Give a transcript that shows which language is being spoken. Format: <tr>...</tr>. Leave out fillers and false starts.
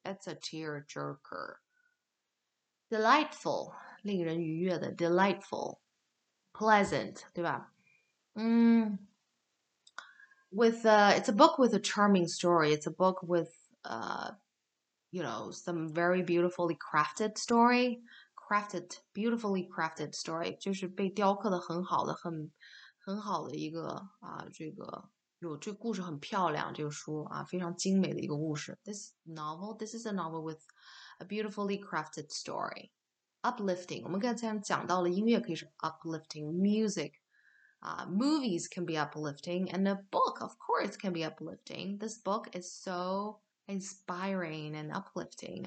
<en>That's a tear jerker. Delightful</en> <zh>令人愉悦的</zh> <en>，delightful, pleasant 对吧？嗯。 It's a book with a charming story. It's a book with, you know, some very beautifully crafted story. Crafted, beautifully crafted story.</en> <zh>就是被雕刻的很好的，很好的一个啊，这个有这个故事很漂亮，这个书啊，非常精美的一个故事。</zh> <en>This is a novel with a beautifully crafted story.</en> <zh>Uplifting. 我们刚才讲到了音乐可以是 uplifting music.</zh> <en>Movies can be uplifting, and a book, of course, can be uplifting. This book is so inspiring and uplifting.</en>